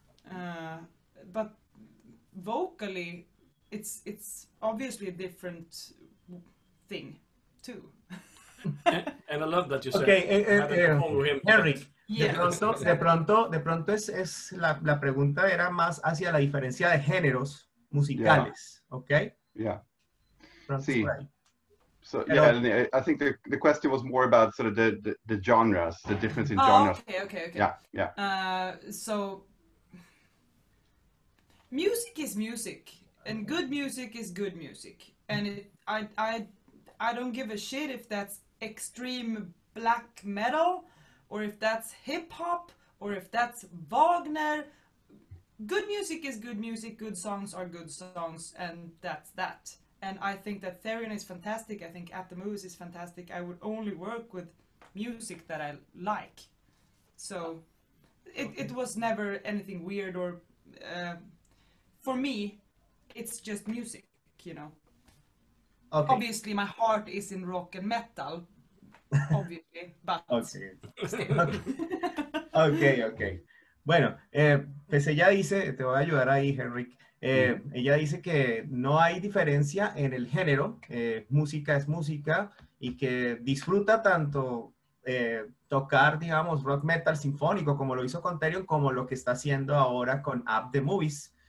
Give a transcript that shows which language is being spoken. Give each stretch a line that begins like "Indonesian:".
English: But vocally, it's obviously a different thing too. And I love that you said. Okay, Henrik.
Spanish: De pronto es la pregunta era más hacia la diferencia de géneros musicales, yeah.
English: Okay? Yeah. Sí. So yeah, I think the question was more about sort of the genres, the difference in genres. Okay. Yeah. So music is music, and good music is good music, and I don't give a shit if that's extreme black metal, or if that's hip hop, or if that's Wagner. Good music is good music. Good songs are good songs, and that's that. And I think that Therion is fantastic. I think At the Moves is fantastic. I would only work with music that I like. So it was never anything weird or for me, it's just music, you know. Okay. Obviously, my heart is in rock and metal, obviously, but Okay.
Spanish: Bueno, pues ella dice, te voy a ayudar ahí, Henrik. Ella dice que no hay diferencia en el género, música es música, y que disfruta tanto tocar, digamos, rock metal sinfónico, como lo hizo con Therion, como lo que está haciendo ahora con At the Movies.